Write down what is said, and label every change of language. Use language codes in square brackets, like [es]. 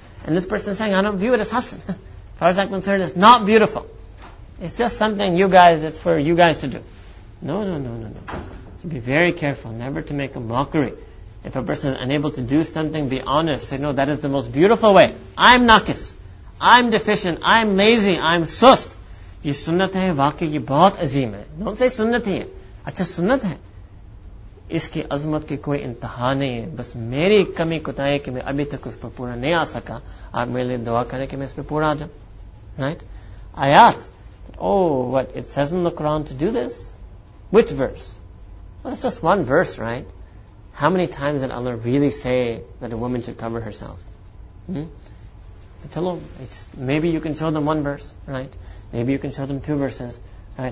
[en] And this person is saying, I don't view it as hasan. As far as I'm concerned, it's not beautiful. It's just something you guys, it's for you guys to do. No. So be very careful never to make a mockery. If a person is unable to do something, be honest. Say, no, that is the most beautiful way. I'm naqis. I'm deficient. I'm lazy. I'm [ur] سست. یہ سنت ہے، واقعی یہ بہت عظیم ہے۔ [en] Don't say [ur] سنت ہے. اچھا سنت ہے۔ اسکی عظمت کی کوئی انتہا نہیں ہے۔ بس میری کمی کوتاہی کی میں ابھی تک اس پر پورا نہیں آ سکا۔ آپ میرے لیے دعا کرے کی میں اس پر پورا آ جاؤں۔ Right? آیت۔ [en] oh, what it says in the Quran to do this? Which verse? Well, it's just one verse, right? How many times did Allah really say that a woman should cover herself? Tell them, maybe you can show them one verse, right? Maybe you can show them two verses, right?